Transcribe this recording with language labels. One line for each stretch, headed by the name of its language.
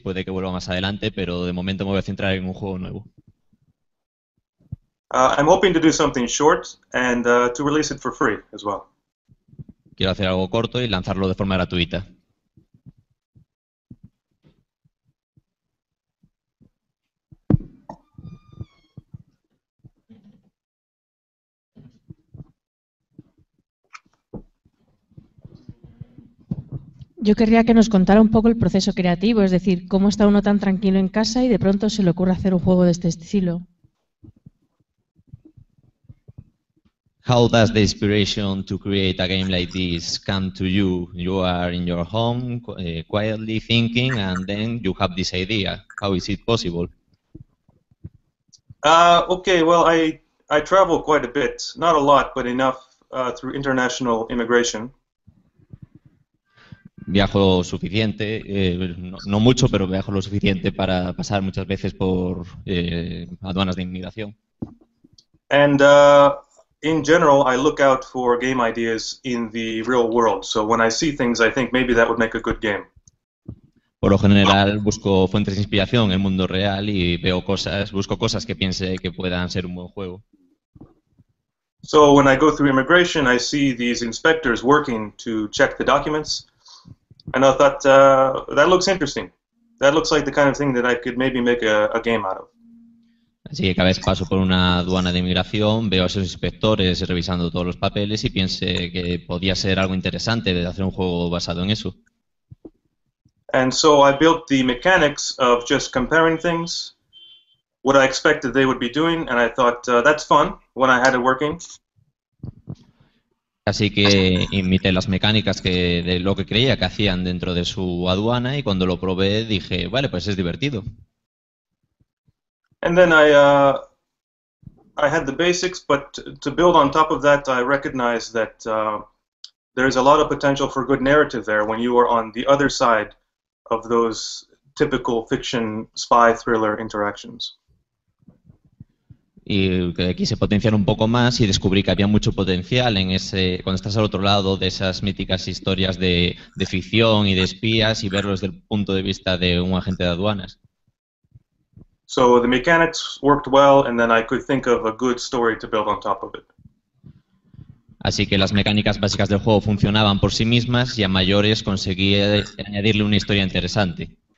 Spanish: Puede que vuelva más adelante, pero de momento me voy a centrar en un juego nuevo.
English: I'm hoping to do something short and to release it for free as well.
Spanish: Quiero hacer algo corto y lanzarlo de forma gratuita. Yo querría que nos contara un poco el proceso creativo, es decir, cómo está uno tan tranquilo en casa y de pronto se le ocurre hacer un juego de este estilo.
English: How does the inspiration to create a game like this come to you? You are in your home, quietly thinking, and then you have this idea. How is it possible? Okay, well, I travel quite a bit, not a lot, but enough through international immigration.
Spanish: Viajo suficiente, no mucho, pero viajo lo suficiente para pasar muchas veces por aduanas de inmigración.
English: And in general, I look out for game ideas in the real world. So when I see things, I think maybe that would make a good game.
Spanish: Por lo general, busco fuentes de inspiración en el mundo real y veo cosas, busco cosas que piense que puedan ser un buen juego.
English: So when I go through immigration, I see these inspectors working to check the documents. And I thought, that looks interesting. That looks like the kind of thing that I could maybe make a game out of.
Spanish: Así que cada vez paso por una aduana de inmigración, veo a esos inspectores revisando todos los papeles y pienso que podía ser algo interesante de hacer un juego basado en eso.
English: And so I built the mechanics of just comparing things, what I expected they would be doing, and I thought, that's fun when I had it working.
Spanish: Así que imité las mecánicas que de lo que creía que hacían dentro de su aduana y cuando lo probé dije, vale, pues es divertido.
English: And then I had the basics, but to build on top of that, I recognized that there is a lot of potential for good narrative there when you are on the other side of those typical fiction spy thriller interactions.
Spanish: Y quise potenciar un poco más y descubrí que había mucho potencial en ese cuando estás al otro lado de esas míticas historias de ficción y de espías y verlos desde el punto de vista de un agente de aduanas.
English: So the mechanics worked well and then I could think of a good story to build on top of it.
Spanish: Así que las mecánicas básicas del juego funcionaban por sí mismas y a mayores conseguí añadirle una historia interesante.